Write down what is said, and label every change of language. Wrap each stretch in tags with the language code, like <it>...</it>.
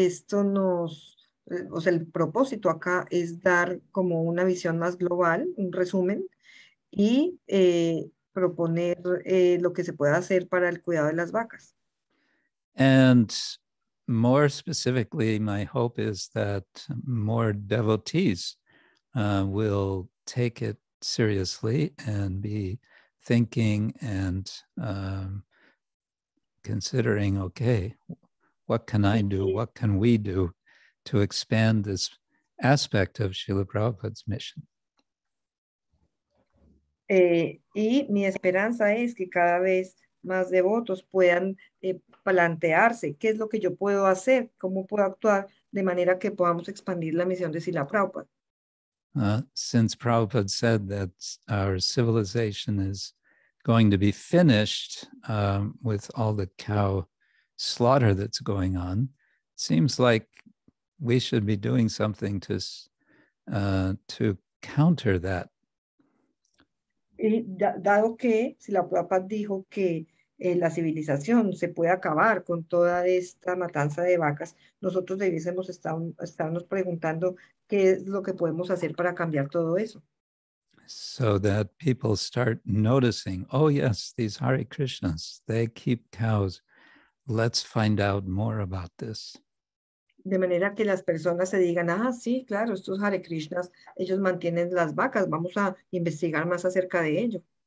<es>O sea, el propósito acá es dar como una visión más global, un resumen, y proponer lo que se pueda hacer para el cuidado de las vacas.</es> <en>And more specifically, my hope is that more devotees will take it seriously and be thinking and considering, okay, what can I do? What can we do to expand this aspect of Srila Prabhupada's mission?</en> <es>Y mi esperanza es que cada vez más devotos puedan plantearse qué es lo que yo puedo hacer, cómo puedo actuar de manera que podamos expandir la misión de Srila Prabhupada.</es> <en>Since Prabhupada said that our civilization is going to be finished with all the cow slaughter that's going on, seems like we should be doing something to counter that.</en> <es>Y dado que si la Prabhupada dijo que la civilización se puede acabar con toda esta matanza de vacas, nosotros debiésemos estarnos preguntando qué es lo que podemos hacer para cambiar todo eso.</es> <en>So that people start noticing, oh yes, these Hare Krishnas, they keep cows. Let's find out more about this.</en> <es>De manera que las personas se digan, ah, sí, claro, estos Hare Krishnas, ellos mantienen las vacas, vamos a investigar más acerca de ello.</es>